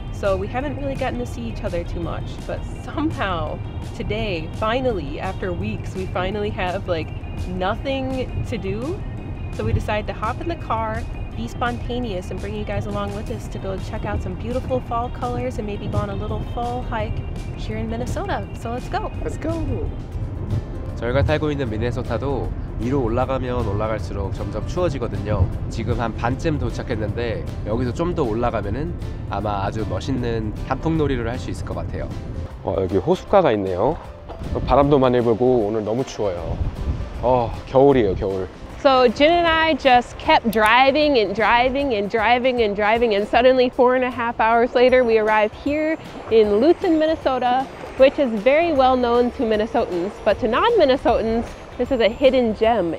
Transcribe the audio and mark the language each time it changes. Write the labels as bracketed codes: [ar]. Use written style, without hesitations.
[en] So we haven't really gotten to see each other too much. But somehow, today, finally, after weeks, we finally have, like, nothing to do. So we decided to hop in the car, be spontaneous, and bring you guys along with us to go check out some beautiful fall colors and maybe go on a little fall hike here in Minnesota. So let's go. Let's go. [ko] 저희가 살고 있는 미네소타도 위로 올라가면 올라갈수록 점점 추워지거든요. 지금 한 반쯤 도착했는데 여기서 좀 더 올라가면은 아마 아주 멋있는 단풍놀이를 할 수 있을 것 같아요. 여기 호숫가가 있네요. 바람도 많이 불고 오늘 너무 추워요. 겨울이에요, 겨울. [en] So Jin and I just kept driving and driving and driving and driving and suddenly 4.5 hours later we arrived here in Luton, Minnesota. Which is very well known to Minnesotans, but to non-Minnesotans, this is a hidden gem.